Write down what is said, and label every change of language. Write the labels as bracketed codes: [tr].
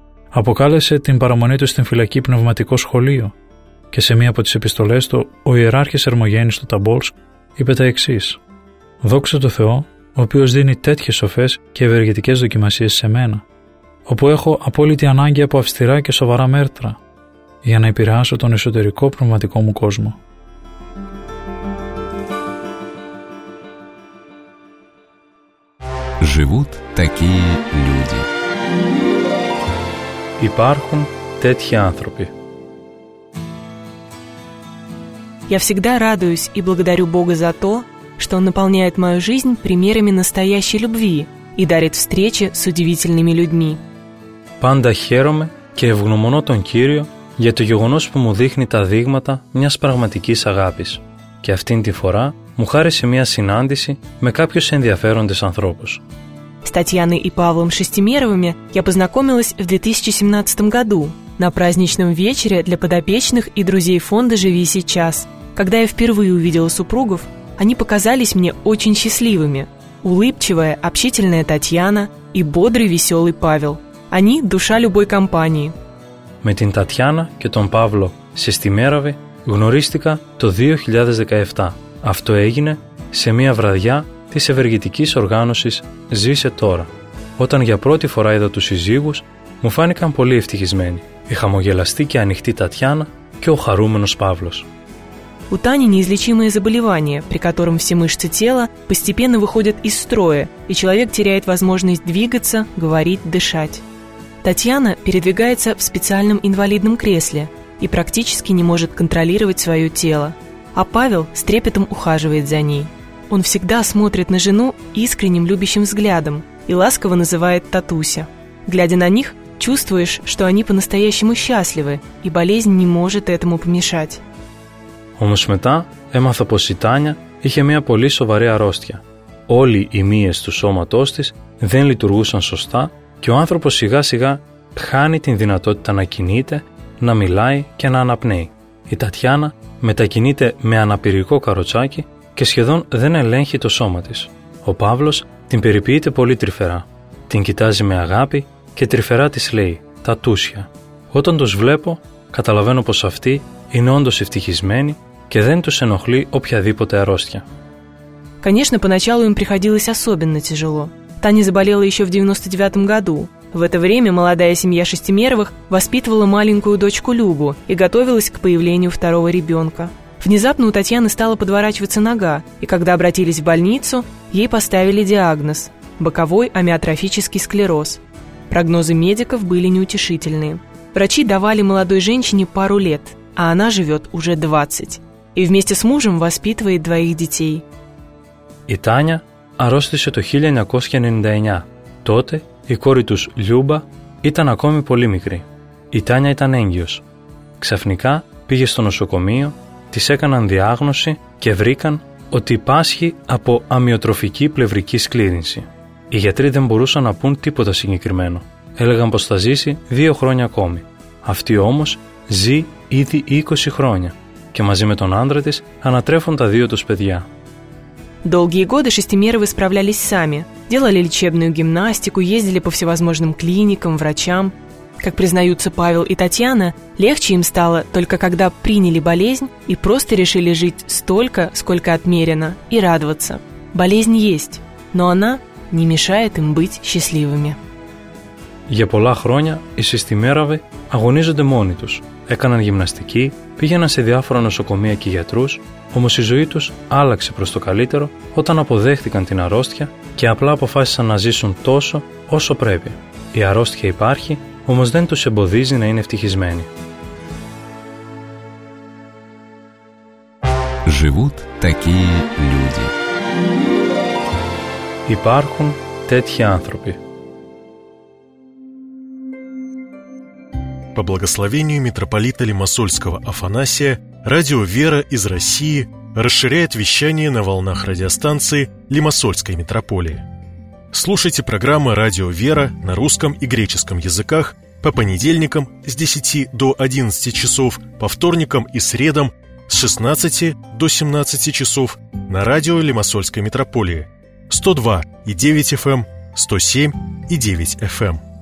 [el] Αποκάλεσε την παραμονή του στην φυλακή πνευματικό σχολείο και σε μία από τις επιστολές του, ο ιεράρχης Ερμογένης του Ταμπόλσκ είπε τα εξής: «Δόξα τω Θεώ, ο οποίος δίνει τέτοιες σοφές και ευεργετικές δοκιμασίες σε μένα, όπου έχω απόλυτη ανάγκη από αυστηρά και σοβαρά μέτρα για να επηρεάσω τον εσωτερικό πνευματικό μου κόσμο». [ru] Живут такие люди. [el] Υπάρχουν τέτοιοι άνθρωποι. [ru] Я всегда радуюсь и благодарю Бога за то, что Он наполняет мою жизнь примерами настоящей любви и дарит встречи с удивительными людьми. [el] Πάντα χαίρομαι και ευγνωμονώ τον Κύριο για το γεγονός που μου δείχνει τα δείγματα μιας πραγματικής αγάπης. Και αυτήν τη φορά μου χάρισε μια συνάντηση με κάποιους ενδιαφέροντες ανθρώπους. [ru] С Татьяной и Павлом Шестимеровыми я познакомилась в 2017 году на праздничном вечере для подопечных и друзей фонда «Живи сейчас». Когда я впервые увидела супругов, они показались мне очень счастливыми. Улыбчивая, общительная Татьяна и бодрый, веселый Павел. Они – душа любой компании. [el] Με την Татьяна και τον Павло Шестимерови γνωρίστηκα το 2017. Αυτό έγινε σε μια βραδιά της ευεργετικής οργάνωσης «Ζήσε τώρα». Όταν για πρώτη φορά είδα τους συζύγους, μου φάνηκαν πολύ ευτυχισμένοι. Η χαμογελαστή και ανοιχτή Τατιάνα και ο χαρούμενος Παύλος. [ru] У Тани неизлечимое заболевание, при котором все мышцы тела постепенно выходят из строя, и человек теряет возможность двигаться, говорить, дышать. Татьяна передвигается в специальном инвалидном кресле и практически не может контролировать свое тело. А Павел с трепетом ухаживает за ней. Он всегда смотрит на жену искренним любящим взглядом и ласково называет «Татуся». Глядя на них, чувствуешь, что они по-настоящему счастливы, и болезнь не может этому помешать. [el] Όμως μετά έμαθα πως η Τάνια είχε μια πολύ σοβαρή αρρώστια. Όλοι οι μύες του σώματός της δεν λειτουργούσαν σωστά και ο άνθρωπος σιγά σιγά χάνει την δυνατότητα να κινείται, να μιλάει και να αναπνέει. Η Τατιάνα μετακινείται με αναπηρικό καροτσάκι και σχεδόν δεν ελέγχει το σώμα της. Ο Παύλος την περιποιείται πολύ τρυφερά. Την κοιτάζει με αγάπη και τρυφερά της λέει «Τατούσια». Όταν τους βλέπω, καταλαβαίνω πως αυτοί είναι όντως ευτυχισμένοι και δεν τους ενοχλεί οποιαδήποτε αρρώστια. [ru] Конечно, поначалу им приходилось особенно тяжело. Таня заболела еще в 99-м году. В это время молодая семья Шестимеровых воспитывала маленькую дочку Любу и готовилась к появлению второго ребенка. Внезапно у Татьяны стала подворачиваться нога, и когда обратились в больницу, ей поставили диагноз – боковой амиотрофический склероз. Прогнозы медиков были неутешительные. Врачи давали молодой женщине пару лет, а она живет уже 20. И вместе с мужем воспитывает двоих детей. [el] И Таня аросслися то 1999. Тоте и кори тус Люба ήταν ακόμη πολύ μικρή. Η Τάνια ήταν έγκυος. Ξαφνικά πήγε στο νοσοκομείο, της έκαναν διάγνωση και βρήκαν ότι πάσχει από αμυοτροφική πλευρική σκλήρυνση. Οι γιατροί δεν μπορούσαν να πούν τίποτα συγκεκριμένο. Έλεγαν πως θα ζήσει 2 χρόνια ακόμη. Αυτή όμως ζει ήδη 20 χρόνια και μαζί με τον άντρα της ανατρέφουν τα 2 τους παιδιά. [ru] Долгие годы Шестимеровы справлялись сами. Делали лечебную гимнастику, ездили по всевозможным клиникам, врачам. Как признаются Павел и Татьяна, легче им стало только когда приняли болезнь и просто решили жить столько, сколько отмерено, и радоваться. Болезнь есть, но она не мешает им быть счастливыми. [el] Για πολλά χρόνια οι Шестимеровы αγωνίζονται μόνοι τους. Έκαναν γυμναστική, πήγαιναν σε διάφορα νοσοκομεία και γιατρούς, όμως η ζωή τους άλλαξε προς το καλύτερο όταν αποδέχτηκαν την αρρώστια και απλά αποφάσισαν να ζήσουν τόσο όσο πρέπει. Η αρρώστια υπάρχει, όμως δεν τους εμποδίζει να είναι ευτυχισμένοι. [ru] Живут такие люди. [el] Υπάρχουν τέτοιοι άνθρωποι. [ru] По благословению митрополита Лимассольского Афанасия, радио «Вера» из России расширяет вещание на волнах радиостанции Лимассольской митрополии. Слушайте программы «Радио «Вера» на русском и греческом языках по понедельникам с 10 до 11 часов, по вторникам и средам с 16 до 17 часов на радио Лимассольской митрополии 102.9 FM, 107.9 FM.